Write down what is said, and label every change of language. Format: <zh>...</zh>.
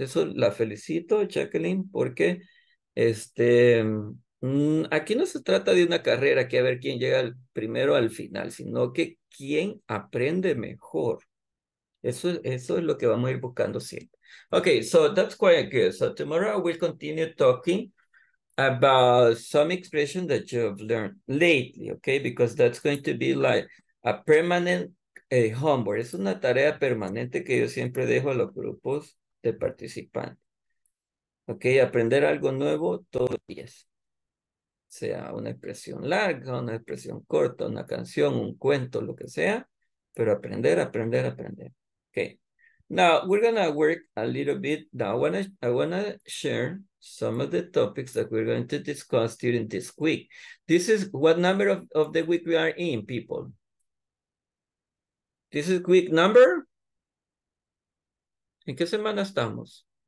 <es>Eso la felicito, Jacqueline, porque aquí no se trata de una carrera que a ver quién llega primero al final, sino que quién aprende mejor. Eso es lo que vamos a ir buscando siempre.</es> <en>Okay, so that's quite good. So tomorrow we'll continue talking about some expression that you have learned lately, okay? Because that's going to be like a permanent homework.</en> <es>Es una tarea permanente que yo siempre dejo a los grupos de participantes. Okay, aprender algo nuevo todos los días. Sea una expresión larga, una expresión corta, una canción, un cuento, lo que sea, pero aprender, aprender, aprender.</es> <en>Okay. Now we're gonna work a little bit. Now I wanna share some of the topics that we're going to discuss during this week. This is what number of the week we are in, people. This is week number.</en> <es>¿En qué semana estamos?</es>